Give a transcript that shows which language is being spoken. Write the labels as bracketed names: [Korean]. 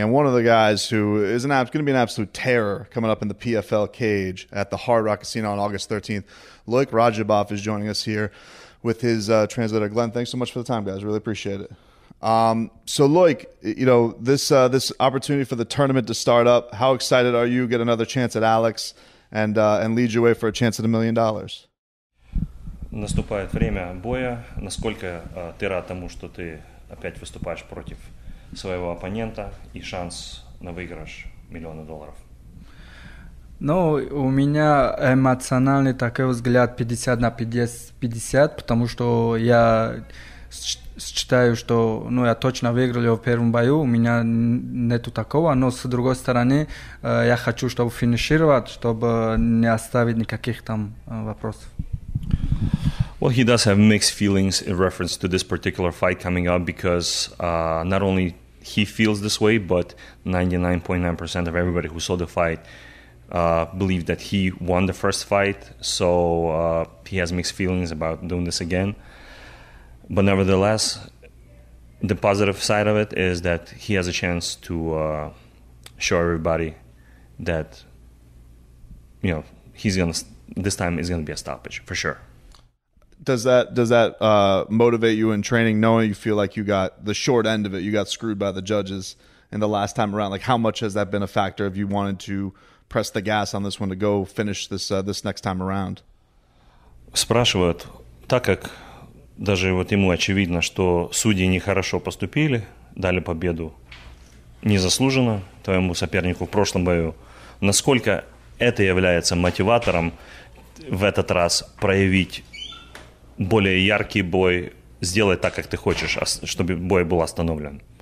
[English] And one of the guys who is going to be an absolute terror coming up in the PFL cage at the Hard Rock Casino on August 13th, Loic Radjabov is joining us here with his translator, Glenn. Thanks so much for the time, guys. Really appreciate it. So, Loic, you know, this opportunity for the tournament to start up, how excited are you to get another chance at Alex and lead your way for a chance at $1 million? [Russian] Наступает время боя. Насколько ты рад тому, что ты опять выступаешь против своего оппонента и шанс на выигрыш миллиона долларов? Ну, у меня эмоциональный такой взгляд 50-50, потому что я считаю, что ну, я точно выиграл его в первом бою, у меня нету такого, но с другой стороны, я хочу, чтобы финишировать, чтобы не оставить никаких там вопросов. [English] Well, he does have mixed feelings in reference to this particular fight coming up because not only he feels this way, but 99.9% of everybody who saw the fight believed that he won the first fight. So he has mixed feelings about doing this again. But nevertheless, the positive side of it is that he has a chance to show everybody that, you know, this time is going to be a stoppage for sure. Does that motivate you in training, knowing you feel like you got the short end of it, you got screwed by the judges in the last time around? Like, how much has that been a factor if you wanted to press the gas on this one to go finish this this next time around? [Russian] Спрашивают, так как даже вот ему очевидно, что судьи нехорошо поступили, дали победу незаслуженно твоему сопернику в прошлом бою. Насколько это является мотиватором в этот раз проявить более яркий бой, сделать так, как ты хочешь, чтобы бой был остановлен?